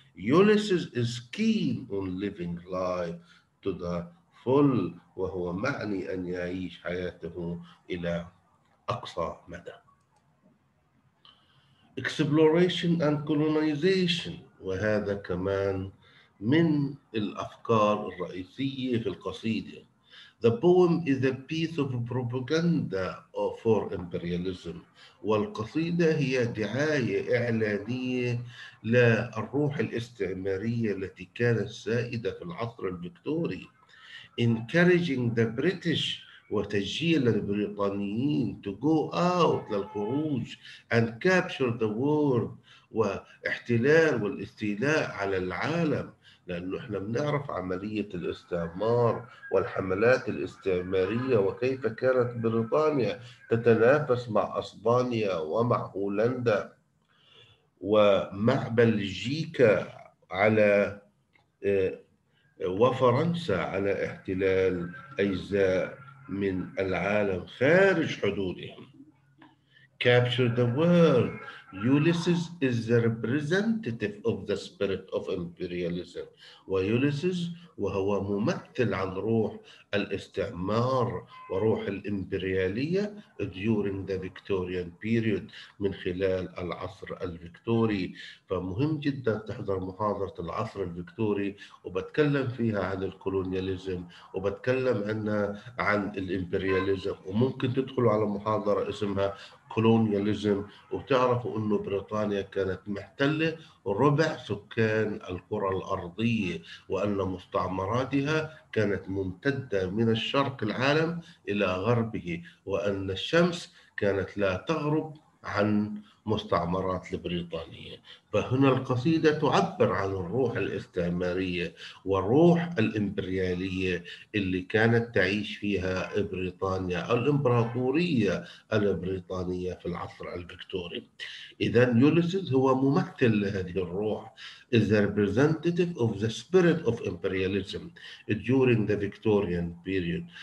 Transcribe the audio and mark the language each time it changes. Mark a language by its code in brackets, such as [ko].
[en] Ulysses is keen on living life to the full, [ar] وهو معني أن يعيش حياته إلى أقصى مدى. [en] Exploration and colonization. [ar] وهذا كمان من الأفكار الرئيسية في القصيدة. [en] The poem is a piece of propaganda for imperialism. [ar] والقصيدة هي دعاية إعلانية للروح الاستعمارية التي كانت سائدة في العصر الفكتوري. [en] Encouraging the British, [ar] وتشجيع للبريطانيين [en] to go out, [ar] للخروج, [en] and capture the world, [ar] واحتلال والاستيلاء على العالم. لا لأنه إحنا بنعرف عملية الاستعمار والحملات الاستعمارية وكيف كانت بريطانيا تتنافس مع أسبانيا ومع هولندا ومع بلجيكا على وفرنسا على احتلال أجزاء من العالم خارج حدودهم. [en] Capture the world. Ulysses is the representative of the spirit of imperialism. [ar] وUlysses وهو ممثل عن روح الاستعمار وروح الإمبريالية [en] during the Victorian period [ar] من خلال العصر الفيكتوري. فمهم جدا تحضر محاضرة العصر الفيكتوري وبتكلم فيها عن الكولونياليزم وبتكلم عن الإمبرياليزم وممكن تدخلوا على محاضرة اسمها كولونياليزم وتعرفوا أنه بريطانيا كانت محتلة ربع سكان الكرة الأرضية وأن مستعمراتها كانت ممتدة من الشرق العالم إلى غربه وأن الشمس كانت لا تغرب عن مستعمرات البريطانية. فهنا القصيدة تعبر عن الروح الاستعمارية والروح الإمبريالية اللي كانت تعيش فيها بريطانيا أو الإمبراطورية البريطانية في العصر الفيكتوري. إذن يوليسس هو ممثل لهذه الروح. [en] Is the representative of the spirit of imperialism during the Victorian period.